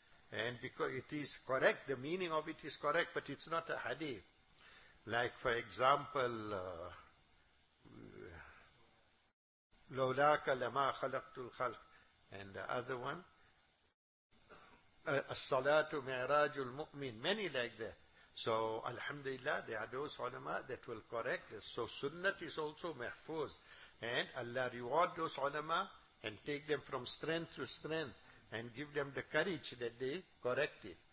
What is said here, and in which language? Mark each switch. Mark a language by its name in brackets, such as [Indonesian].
[English] And because it is correct, the meaning of it is correct, but it's not a hadith. Like, for example, [Arabic] لَوْلَاكَ لَمَا خَلَقْتُ الْخَلْقِ. [English] And the other one, [Arabic] الصَّلَاةُ مِعْرَاجُ الْمُؤْمِنِ. [English] Many like that. So, alhamdulillah, there are those ulama that will correct this. So, sunnat is also mahfuz. And Allah reward those ulama and take them from strength to strength and give them the courage that they correct it.